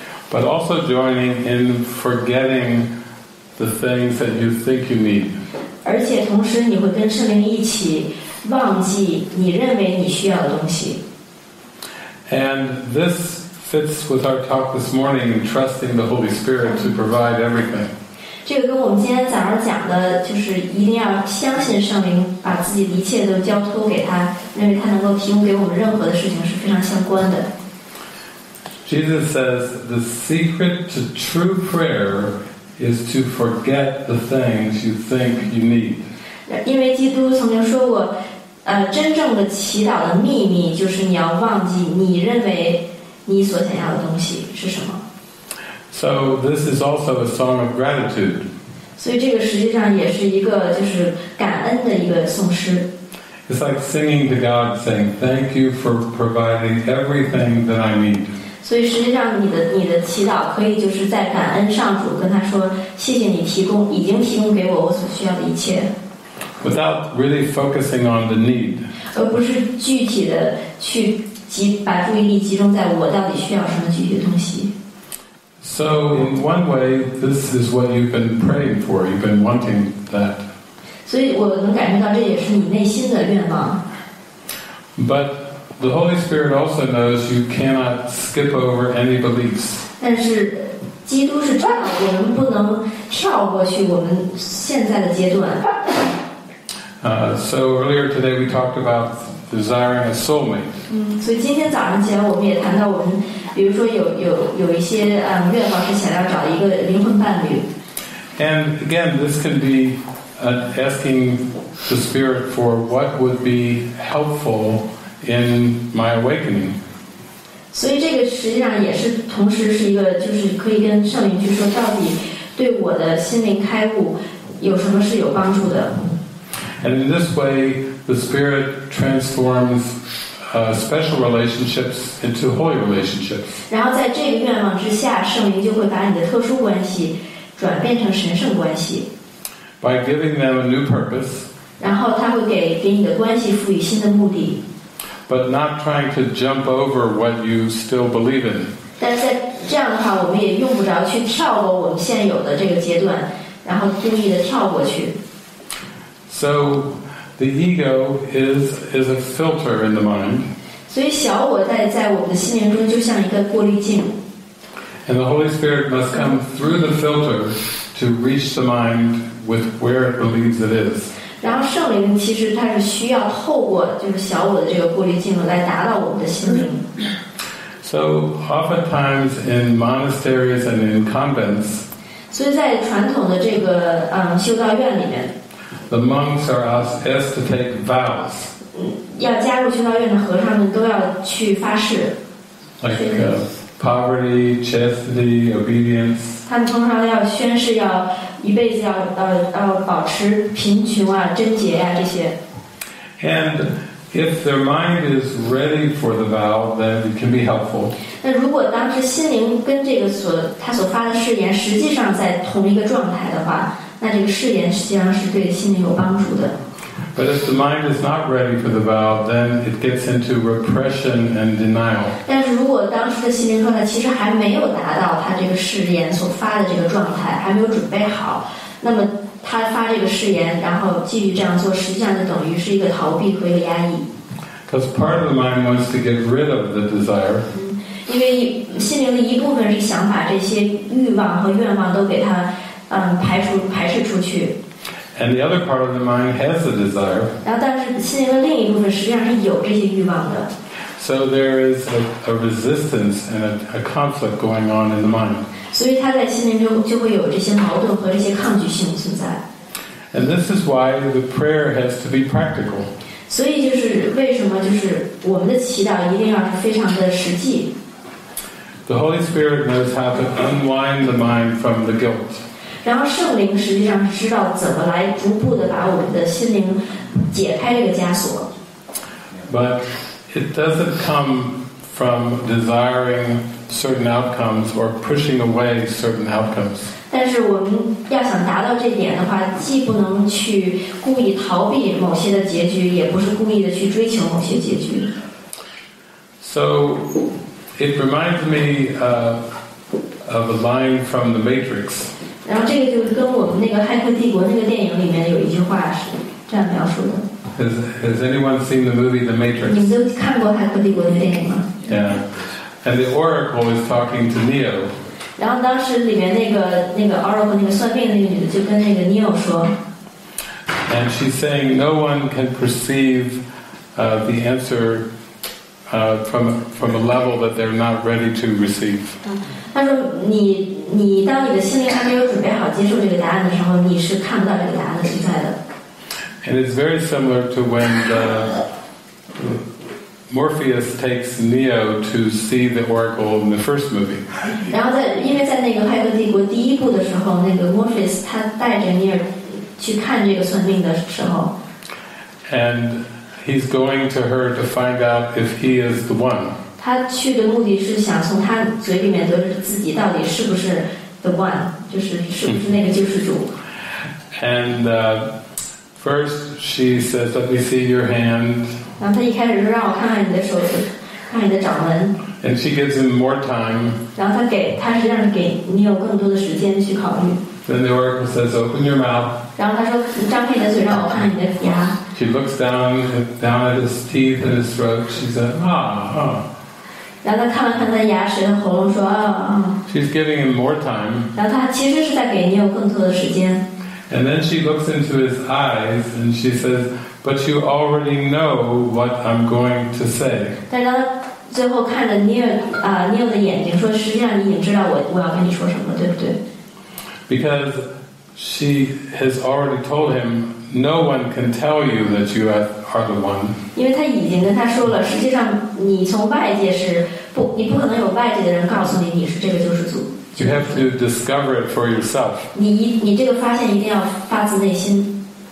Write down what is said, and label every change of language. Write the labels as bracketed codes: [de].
[en] But also joining in forgetting the things that you think you need. [zh] 而且同时你会跟圣灵一起忘记你认为你需要的东西。 [en] And this fits with our talk this morning in trusting the Holy Spirit to provide everything. [zh] 这个跟我们今天早上讲的就是一定要相信圣灵，把自己的一切都交托给他，认为他能够提供给我们任何的事情是非常相关的。 [en] Jesus says, the secret to true prayer is to forget the things you think you need. [zh] 因为基督曾经说过，真正的祈祷的秘密就是你要忘记你认为你所想要的东西是什么。 [en] So this is also a song of gratitude. [zh] 所以这个实际上也是一个就是感恩的一个颂诗。 [en] It's like singing to God, saying thank you for providing everything that I need. [zh] 所以实际上你的祈祷可以就是在感恩上主，跟他说谢谢你已经提供给我我所需要的一切。 [en] Without really focusing on the need. [zh] 而不是具体的去把注意力集中在我到底需要什么具体的东西。 [en] So in one way, this is what you've been praying for. You've been wanting that. [zh] 所以我能感觉到这也是你内心的愿望。 [en] But the Holy Spirit also knows you cannot skip over any beliefs. [zh] 但是基督是知道我们不能跳过去我们现在的阶段。 [en] So earlier today we talked about desiring a soulmate. [zh] 所以今天早上起来我们也谈到我们比如说有一些愿望是想要找一个灵魂伴侣。 [en] And again, this can be asking the Spirit for what would be helpful in my awakening. [zh] 所以这个实际上也是同时是一个就是可以跟圣灵去说到底对我的心灵开悟有什么是有帮助的。 [en] And in this way, the Spirit transforms special relationships into holy relationships. [zh] 然后在这个愿望之下，圣灵就会把你的特殊关系转变成神圣关系。 [en] By giving them a new purpose. [zh] 然后他会给你的关系赋予新的目的。 [en] But not trying to jump over what you still believe in. [zh] 但在这样的话，我们也用不着去跳过我们现有的这个阶段，然后故意的跳过去。 [en] So, the ego is a filter in the mind. [zh] 所以小我在我们的心灵中就像一个过滤镜。 [en] And the Holy Spirit must come through the filter to reach the mind with where it believes it is. [zh] 然后圣灵其实它是需要透过就是小我的这个过滤镜来达到我们的心灵。 [en] So, oftentimes in monasteries and in convents. [zh] 所以在传统的这个修道院里面。 [en] The monks are asked to take vows. [zh] 要加入修道院的和尚们都要去发誓。 [en] Like poverty, chastity, obedience. [zh] 他们通常要宣誓，要一辈子要保持贫穷啊、贞洁啊这些。 [en] And if their mind is ready for the vow, then it can be helpful. [zh] 那如果当时心灵跟这个他所发的誓言实际上在同一个状态的话。那这个誓言实际上是对心灵有帮助的。 [en] But if the mind is not ready for the vow, then it gets into repression and denial. [zh] 但是如果当时的心灵状态其实还没有达到他这个誓言所发的这个状态，还没有准备好，那么他发这个誓言，然后继续这样做，实际上就等于是一个逃避和一个压抑。 [en] Because part of the mind wants to get rid of the desire. [zh] 因为心灵的一部分是想把这些欲望和愿望都给他。排斥出去。 [en] And the other part of the mind has the desire. [zh] 然后，但是心灵的另一部分实际上是有这些欲望的。 [en] So there is a resistance and a conflict going on in the mind. [zh] 所以他在心灵中就会有这些矛盾和这些抗拒性存在。 [en] And this is why the prayer has to be practical. [zh] 所以就是为什么就是我们的祈祷一定要是非常的实际。 [en] The Holy Spirit knows how to unwind the mind from the guilt. [zh] 然后圣灵实际上是知道怎么来逐步的把我们的心灵解开这个枷锁。 [en] But it doesn't come from desiring certain outcomes or pushing away certain outcomes. [zh] 但是我们要想达到这点的话，既不能去故意逃避某些的结局，也不是故意的去追求某些结局。 [en] So it reminds me of a line from The Matrix. [zh] 然后这个就跟我们那个《骇客帝国》那个电影里面有一句话是这样描述的。 [en] Has anyone seen the movie The Matrix? [zh] 你们都看过《骇客帝国》的电影吗 [en] ？Yeah, and the Oracle is talking to Neo. [zh] 然后当时里面那个 Oracle 那个算命的那个女的就跟那个 Neo 说。 [en] And she's saying no one can perceive the answer from a level that they're not ready to receive. [zh] 他说你当你的心灵还没有准备好接受这个答案的时候，你是看不到这个答案的存在的。 [en] And it's very similar to when the Morpheus takes Neo to see the Oracle in the first movie. [zh] 然后在因为在那个黑客帝国第一部的时候，那个 Morpheus 他带着 Neo 去看这个算命的时候。 [en] And he's going to her to find out if he is the one. [zh] 他去的目的是想从他嘴里面得知自己到底是不是 [en] the one， [zh] 就是是不是那个救世主。 [en] And first she says, "Let me see your hand." [zh] 然后他一开始说让我看看你的手指，看你的掌纹。 [en] And she gives him more time. [zh] 然后他实际上给你有更多的时间去考虑。 [en] Then the oracle says, "Open your mouth." [zh] 然后他说你张开你的嘴让我看你的牙。 [en] She looks down at his teeth and his throat. She said, "Ah." [zh] 然后他看了看他的牙齿和喉咙，说啊啊。 [en] She's giving him more time. [zh] 然后他其实是在给你有更多的时间。 [en] And then she looks into his eyes and she says, "But you already know what I'm going to say." [zh] 但他最后看着Neo的眼睛，说实际上你也知道我要跟你说什么，对不对？ [en] Because she has already told him, no one can tell you that you are the one. [zh] 因为他已经跟他说了，实际上你从外界是不，你不可能有外界的人告诉你你是这个救世主。 [en] You have to discover it for yourself. [zh] 你这个发现一定要发自内心。